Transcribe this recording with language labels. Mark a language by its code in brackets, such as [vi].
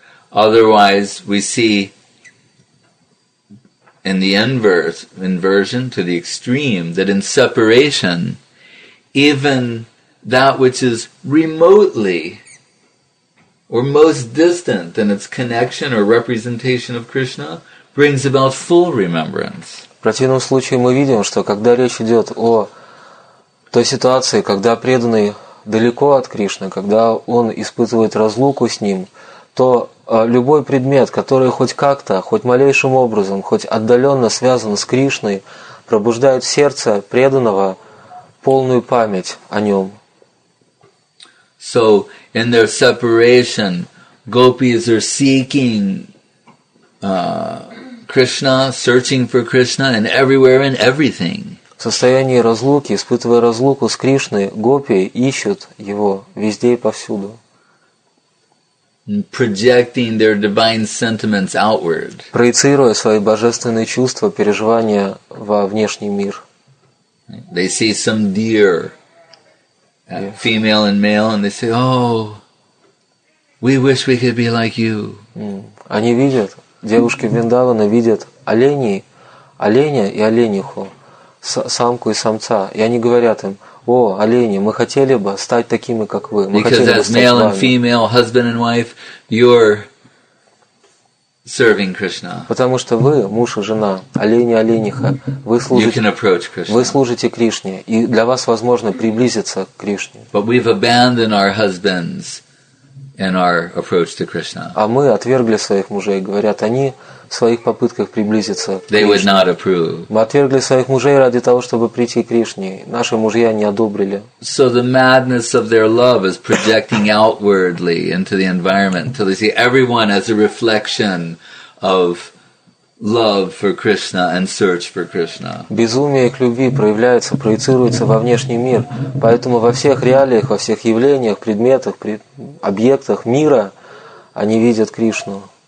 [en] Otherwise, we see in the inversion to the extreme that in separation, even that which is remotely or most distant in its connection or representation of Krishna brings about full remembrance. [ru] В противном случае мы видим, что когда речь идет о той ситуации, когда преданный далеко от Кришны, когда он испытывает разлуку с ним, то любой предмет, который хоть как-то, хоть малейшим образом, хоть отдаленно связан с Кришной, пробуждает в сердце преданного полную память о нем. [en] So in their separation, gopis are seeking Krishna, searching for Krishna, and everywhere and everything. [ru] В состоянии разлуки, испытывая разлуку с Кришной, гопи ищут его везде и повсюду. [en] Projecting their divine sentiments outward. [ru] Проецируя свои божественные чувства, переживания во внешний мир. [en] They see some deer, female and male, and they say, "Oh, we wish we could be like you." [ru] Они видят, девушки Вриндавана видят оленя и олениху, самку и самца, и они говорят им: «О, олени, мы хотели бы стать такими, как вы». Мы [en] Because as male and female, husband and wife, you're serving Krishna. [ru] Потому что вы, муж и жена, олени и олениха, вы служите, [en] you can approach Krishna. [ru] Вы служите Кришне, и для вас возможно приблизиться к Кришне. [en] But we've abandoned our husbands in our approach to Krishna. [ru] А мы отвергли своих мужей, говорят они, в своих попытках приблизиться к [en] They would not approve. [ru] Мы отвергли своих мужей ради того, чтобы прийти к Кришне. Наши мужья не одобрили. [en] So the madness of their love is projecting outwardly into the environment until they see everyone as a reflection of love for Krishna and search for Krishna. [ru] Безумие к любви проявляется, проецируется во внешний мир. Поэтому во всех реалиях, во всех явлениях, предметах, объектах мира они видят Кришну.